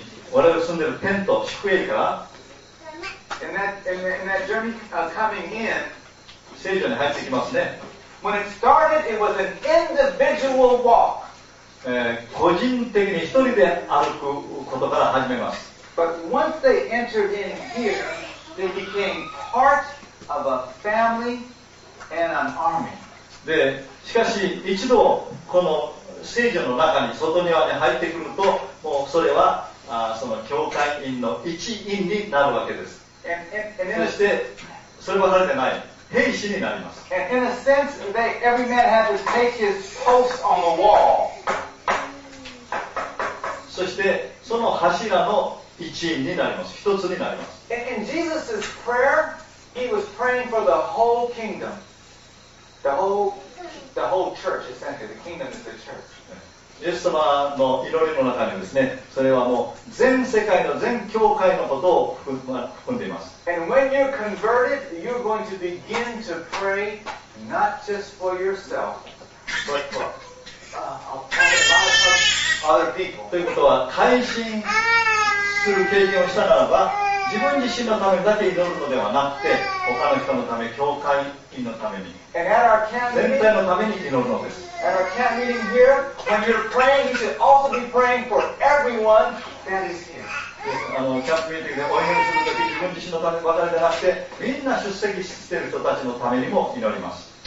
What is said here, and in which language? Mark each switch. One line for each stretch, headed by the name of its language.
Japanese: 我々住んでるテント宿営から
English: in that journey coming in,
Japanese: 聖所に入ってきますね。
English: When it started, it was an individual walk.
Japanese: 個人的に一人で歩くことから始めます。
English: But once they entered in here, they became part of a family and an army.
Japanese: で、しかし一度この聖所の中に外庭に入ってくると、もうそれはその教会員の一員になるわけです。
English: And
Japanese: そしてそれはされてない。兵士になります。
English: And in a sense, they, every man had to take his post on the wall.
Japanese: そしてその柱の一員になります。一つになります。
English: In Jesus' prayer, he was praying for the whole kingdom. The whole church, essentially. The kingdom is the church.
Japanese: イエス様の祈りの中にですね、それはもう全世界の全教会のことを含んでいます。
English: And when you're converted, you're going to begin to pray not just for yourself, but for other people.
Japanese: ということは、改心する経験をしたならば、自分自身のためだけ祈るのではなくて、他の人のため、教会員のために、全体のために祈るのです。
English: At our camp meeting here, when you're praying, you should also be praying for everyone that is here.
Japanese: キャンプミーティングでお祈りするとき、自分自身のため、私でなくて、みんな出席している人たちのためにも祈ります。